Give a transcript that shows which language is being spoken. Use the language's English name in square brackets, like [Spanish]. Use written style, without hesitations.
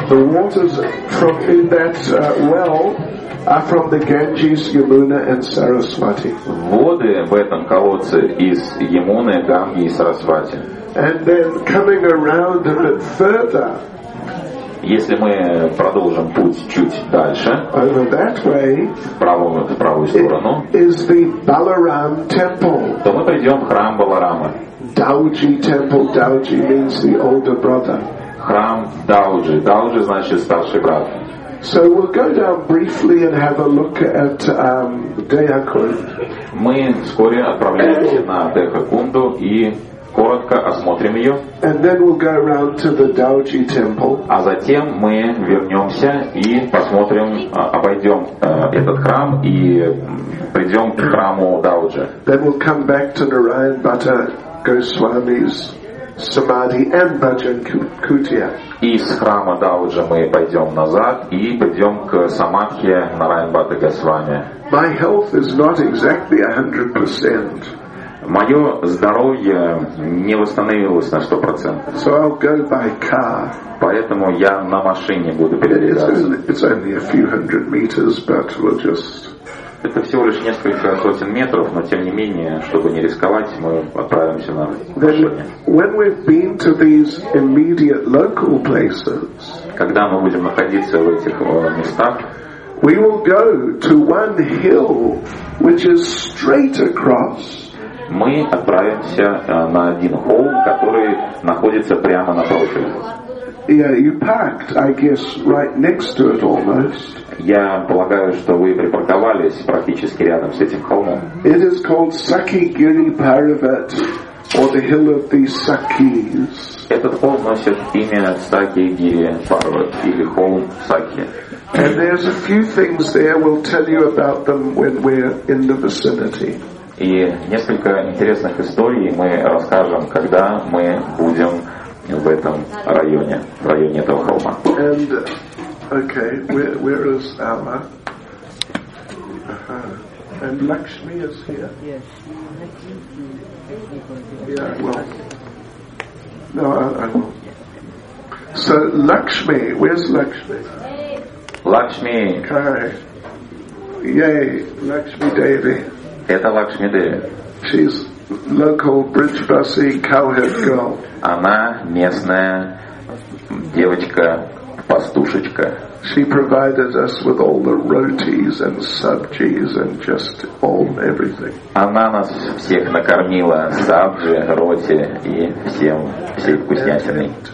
[English] The waters from in that well are from the Ganges, Yamuna, and Saraswati. [Russian] Воды в этом колодце из Ямуны, Ганги и Сарасвати. [English] And then coming around a bit further. [Russian] Если мы продолжим путь чуть дальше, [English] way, [Russian] в правую сторону, [English] is the Balaram temple. [Russian] То мы придем в храм Баларама. [English] Dauji temple. Dauji means the older brother. [Russian] Храм Дауджи. Дауджи значит старший брат. [English] So we'll go down briefly and have a look at Deha-kun. [Russian] Мы вскоре отправляемся на Деха-кунду и коротко осмотрим ее. [English] And then we'll go around to the Dauji temple. [Russian] А затем мы вернемся и посмотрим, обойдем этот храм и придем к храму Дауджи. [English] Then we'll come back to Narayan Bhatta Goswami's Samadhi and Bhajan Kutia. [Russian] Из храма Дауджи мы пойдем назад и придем к Самадхи Нараян Бхатта Госвами. [English] My health is not exactly 100%. [Russian] Мое здоровье не восстановилось на 100%. Поэтому я на машине буду передвигаться. Это всего лишь несколько сотен метров, но тем не менее, чтобы не рисковать, мы отправимся на машине. Когда мы будем находиться в этих местах, [English] we will go to one hill, which is straight across. [Russian] Мы отправимся на один холм, который находится прямо напротив. [English] Yeah, you parked, I guess, right next to it almost. [Russian] Я полагаю, что вы припарковались практически рядом с этим холмом. [English] It is called Sakigiri Parivat, or the Hill of the Sakis. [Russian] Этот холм носит имя Sakigiri Parivat или холм Саки. [English] And there's a few things there. We'll tell you about them when we're in the vicinity. [Russian] И несколько интересных историй мы расскажем, когда мы будем в этом районе, в районе этого холма. [English] And, okay, where is Alma? And Lakshmi is here. Yes. Yeah, well. No, I won't. So Lakshmi, where's Lakshmi? Lakshmi. Okay. Yay, Lakshmi Devi. [Russian] Это Лакшми Деви. [English] She's local Bridgebasi cowherd girl. [Russian] Она местная девочка пастушечка. [English] She provided us with all the rotis and sabjis and just all everything. [Russian] Она нас всех накормила сабжи, роти и всем всей вкуснятиной.